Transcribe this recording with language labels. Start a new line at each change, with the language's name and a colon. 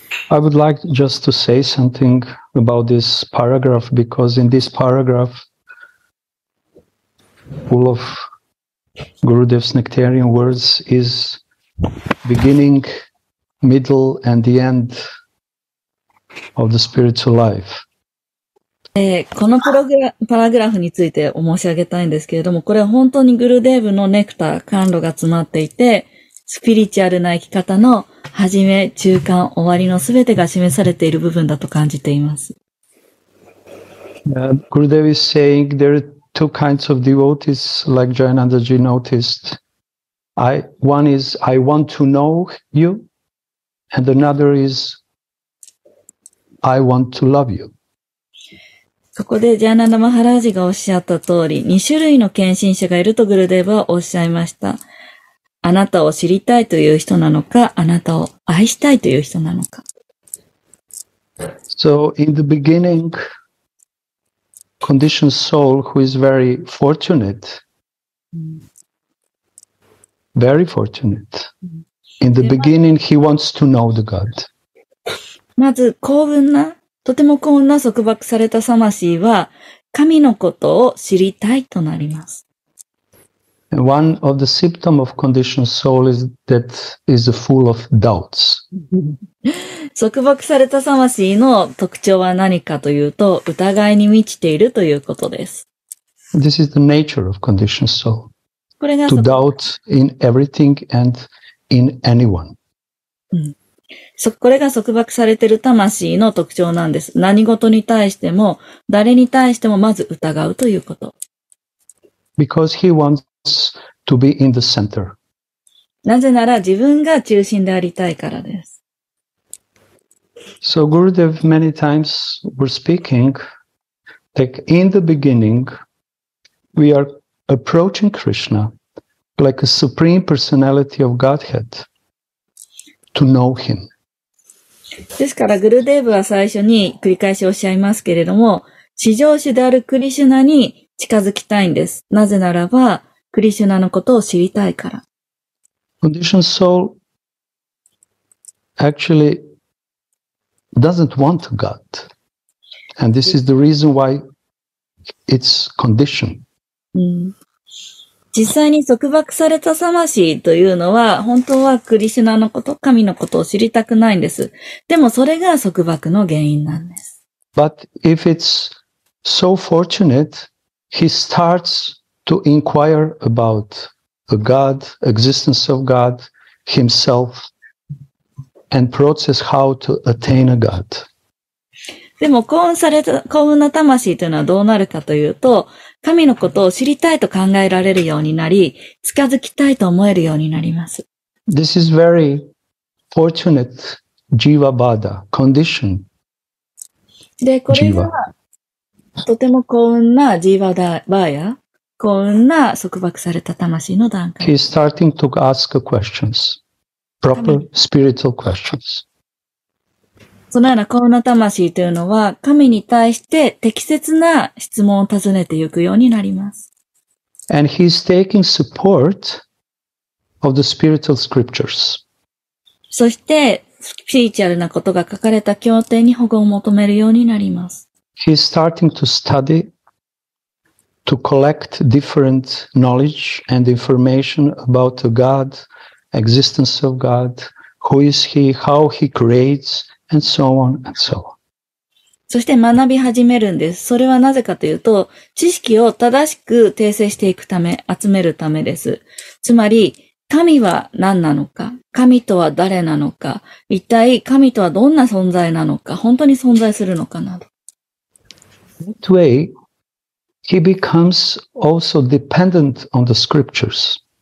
English: I would like just to say something about this paragraph, because in this paragraph, full of Gurudev's nectarian words is beginning, middle, and the end of the spiritual life.
Japanese: このパラグラフについて申し上げたいんですけれども、これは本当にグルデーブのネクター、甘露が詰まっていて、スピリチュアルな生き方の始め、中間、終わりのすべてが示されている部分だと感じています。
English: グルデーブ is saying there are two kinds of devotees, like Jayananda Ji noticed. One is I want to know you, and another is I want to love you.
Japanese: そこでジャーナナ・マハラージがおっしゃった通り、2種類の献身者がいるとグルデーブはおっしゃいました。あなたを知りたいという人なのか、あなたを愛したいという人なのか。
English: So, in the beginning, conditioned soul who is very fortunate, very fortunate. In the beginning, he wants to know the God.
Japanese: まず、幸運な。とても幸運な束縛された魂は神のことを知りたいとなります。
English: One of the symptoms of conditioned soul is that is full of doubts.
Japanese: 束縛された魂の特徴は何かというと疑いに満ちているということです。
English: This is the nature of conditioned soul.
Japanese: これが
English: to doubt in everything and in anyone.
Japanese: これが束縛されている魂の特徴なんです。何事に対しても、誰に対してもまず疑うということ。
English: Because he wants to be in the center.
Japanese: なぜなら自分が中心でありたいからです。
English: So Gurudev many times were speaking that in the beginning we are approaching Krishna like a supreme personality of Godhead to know him.
Japanese: ですからグルデーブは最初に繰り返しおっしゃいますけれども、至上主であるクリシュナに近づきたいんです。なぜならばクリシュナのことを知りたいから。
English: Conditioned soul actually doesn't want God, and this is the reason why it's conditioned.
Japanese: 実際に束縛された魂というのは、本当はクリシュナのこと、神のことを知りたくないんです。でもそれが束縛の原因なんです。
English: But if it's so fortunate, he starts to inquire about the God, existence of God, himself, and process how to attain a God.
Japanese: でも幸運された、幸運な魂というのはどうなるかというと、神のことを知りたいと考えられるようになり、近づきたいと思えるようになります。
English: This is very fortunate jiva bada condition.
Japanese: で、これはとても幸運なジーバーバーや、幸運な束縛された魂の段階。
English: He's starting to ask questions, proper spiritual questions.
Japanese: そのような幸運な魂というのは、神に対して適切な質問を尋ねていくようになります。
English: And he's taking support of the spiritual scriptures.
Japanese: そして、スピリチュアルなことが書かれた経典に保護を求めるようになります。
English: He's starting to study, to collect different knowledge and information about the God, existence of God, who is he, how he creates,And so on and so on.
Japanese: そして学び始めるんです。それはなぜかというと、知識を正しく訂正していくため、集めるためです。つまり、神は何なのか、神とは誰なのか、一体神とはどんな存在なのか、本当に存在するのかなど。
English: That way, he becomes also dependent on the scriptures.